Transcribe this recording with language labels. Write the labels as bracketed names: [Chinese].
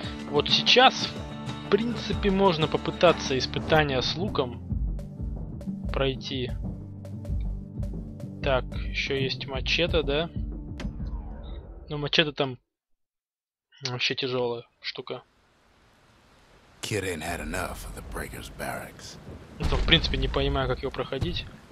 [Russian] Вот сейчас, в принципе, можно попытаться испытание с луком пройти. Так, еще есть мачете, да? Ну, мачете там вообще тяжелая штука. [English] Kid ain't had enough of the Breaker's barracks. [Russian] Ну, в принципе, не понимаю, как его проходить.